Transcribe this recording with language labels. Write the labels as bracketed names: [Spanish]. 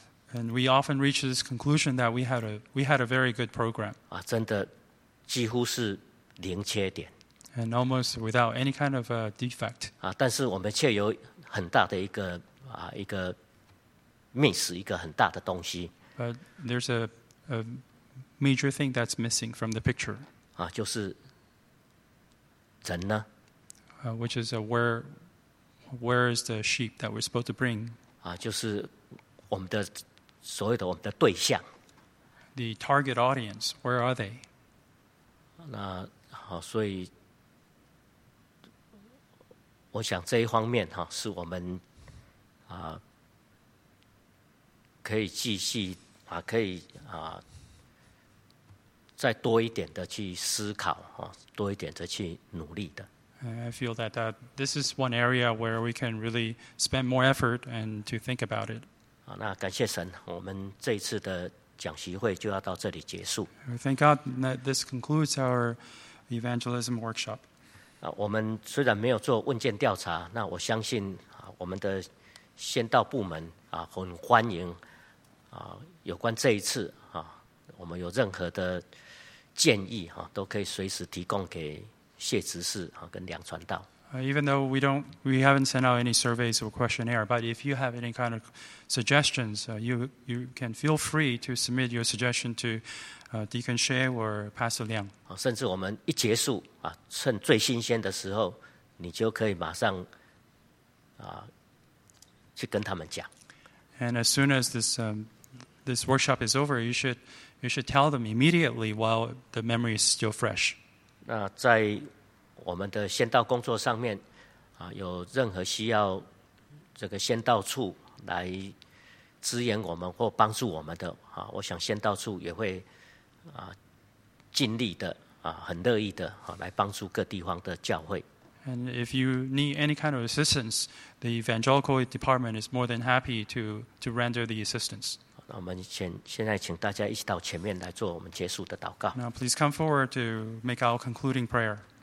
[English] And we often reach this conclusion that we had a very good program. [Chinese] 啊，真的几乎是零缺点。 [English] And almost without any kind of a defect. [Chinese] 啊，但是我们却有很大的一个一个 miss 一个很大的东西。 [English] But there's a major thing that's missing from the picture. [Chinese] 啊，就是人呢。 [English] Which is where is the sheep that we're supposed to bring? [Chinese] 啊，就是我们的所谓的我们的对象。 [English] The target audience, where are they? [Chinese] 那好，所以。我想这一方面是我们可以继续可以再多一点的去思考多一点的去努力的。 [English] I feel that this is one area where we can really spend more effort and to think about it. [Chinese] 那感谢神，我们这一次的讲习会就要到这里结束。 [English] Thank God that this concludes our evangelism workshop. [Chinese] 我们虽然没有做问卷调查，那我相信我们的先到部门很欢迎有关这一次我们有任何的建议都可以随时提供给谢执事跟梁传道。 [English] Even though we haven't sent out any surveys or questionnaire, but if you have any kind of suggestions, you can feel free to submit your suggestion to Deacon Xie or Pastor Liang. [Chinese] 甚至我们一结束趁最新鲜的时候，你就可以马上去跟他们讲。 [English] And as soon as this workshop is over, you should tell them immediately while the memory is still fresh. [Chinese] 那在我们的先到工作上面有任何需要这个先到处来支援我们或帮助我们的我想先到处也会尽力的很乐意的来帮助各地方的教会。 [English] And if you need any kind of assistance, the evangelical department is more than happy to render the assistance. [Chinese] 那我们现在请大家一起到前面来做我们结束的祷告。 [English] Now please come forward to make our concluding prayer.